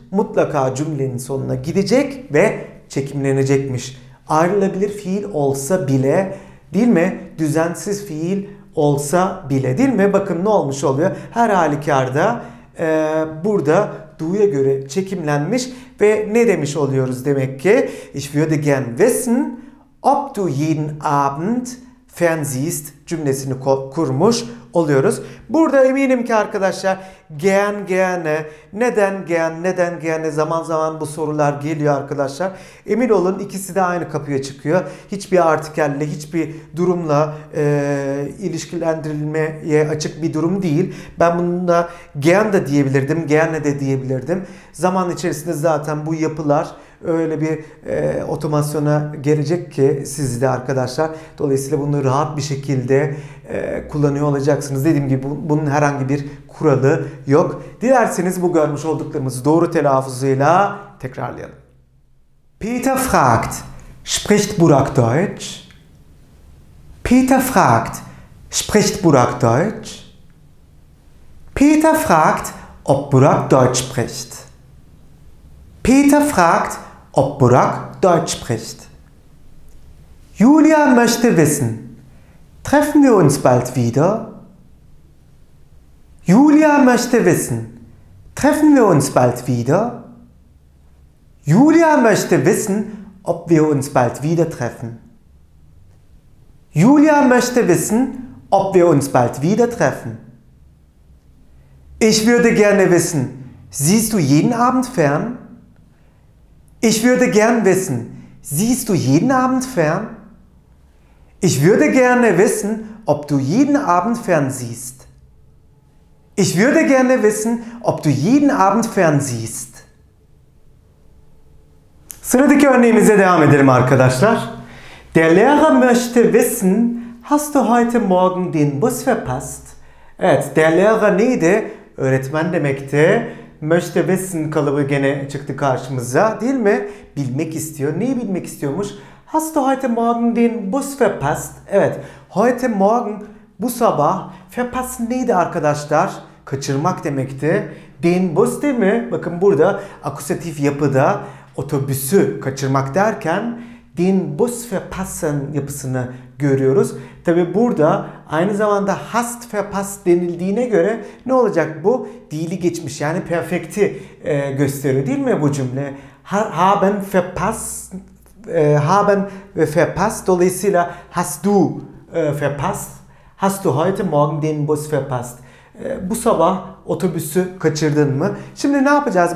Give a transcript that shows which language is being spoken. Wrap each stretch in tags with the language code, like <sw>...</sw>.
<tr>Mutlaka cümlenin sonuna gidecek ve çekimlenecekmiş. Ayrılabilir fiil olsa bile değil mi? Düzensiz fiil olsa bile değil mi? Bakın ne olmuş oluyor? Her halükarda burada du'ya göre çekimlenmiş ve ne demiş oluyoruz demek ki?</tr> <de>Ich würde gern wissen, ob du jeden Abend fernsiehst</de> <tr>cümlesini kurmuş oluyoruz. Burada eminim ki arkadaşlar gern gerne, neden gern, neden gerne zaman zaman bu sorular geliyor arkadaşlar. Emin olun ikisi de aynı kapıya çıkıyor. Hiçbir artikelle, hiçbir durumla ilişkilendirilmeye açık bir durum değil. Ben bununla gern de diyebilirdim, gerne de diyebilirdim. Zaman içerisinde zaten bu yapılar öyle bir otomasyona gelecek ki siz de arkadaşlar. Dolayısıyla bunu rahat bir şekilde kullanıyor olacaksınız. Dediğim gibi bunun herhangi bir kuralı yok. Dilerseniz bu görmüş olduklarımızı doğru telaffuzuyla tekrarlayalım.</tr> <de>Peter fragt, spricht Burak Deutsch? Peter fragt, spricht Burak Deutsch? Peter fragt, ob Burak Deutsch spricht? Peter fragt, ob Burak Deutsch spricht. Julia möchte wissen, treffen wir uns bald wieder? Julia möchte wissen, treffen wir uns bald wieder? Julia möchte wissen, ob wir uns bald wieder treffen. Julia möchte wissen, ob wir uns bald wieder treffen. Ich würde gerne wissen, siehst du jeden Abend fern? Ich würde gern wissen, siehst du jeden Abend fern? Ich würde gerne wissen, ob du jeden Abend fern siehst. Ich würde gerne wissen, ob du jeden Abend fern siehst.</de> <tr>Sıradaki örneğimize devam edelim arkadaşlar.</tr> <de>Der Lehrer möchte wissen, hast du heute Morgen den Bus verpasst?</de> <tr>Evet, der Lehrer neydi? Öğretmen demekti.</tr> <de>Möchte wissen</de> <tr>kalıbı gene çıktı karşımıza değil mi? Bilmek istiyor. Neyi bilmek istiyormuş?</tr> <de>Hast du heute Morgen den Bus verpasst?</de> <tr>Evet.</tr> <de>Heute Morgen</de> <tr>bu sabah verpassen neydi arkadaşlar? Kaçırmak demekti. Den Bus değil mi? Bakın burada akusatif yapıda otobüsü kaçırmak derken</tr> <de>den Bus verpassen</de> <tr>yapısını görüyoruz. Tabi burada aynı zamanda hast ve past denildiğine göre ne olacak bu? Dili geçmiş, yani perfekti gösteriyor değil mi bu cümle?</tr> <de>Haben verpasst, haben verpasst,</de> <tr>dolayısıyla</tr> <de>hast du verpasst, hast du heute morgen den Bus verpasst.</de> <tr>Bu sabah otobüsü kaçırdın mı? Şimdi ne yapacağız?</tr>